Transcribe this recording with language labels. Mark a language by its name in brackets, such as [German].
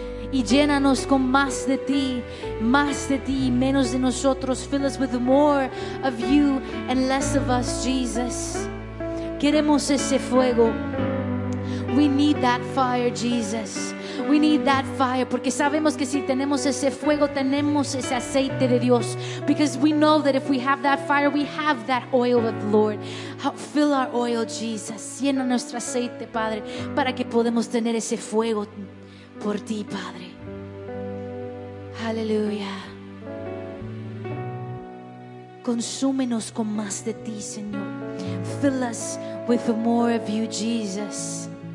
[Spanish] Y llénanos con más de ti y menos de nosotros. [English] Fill us with more of you and less of us, Jesus. [Spanish] Queremos ese fuego. [English] We need that fire, Jesus. We need that fire, [Spanish] porque sabemos que si tenemos ese fuego, tenemos ese aceite de Dios. [English] Because we know that if we have that fire, we have that oil of the Lord. Fill our oil, Jesus. [Spanish] Llena nuestro aceite, Padre, para que podamos tener ese fuego por ti, Padre. Hallelujah. Consúmenos con más de ti, Señor. [English] Fill us with more of you, Jesus.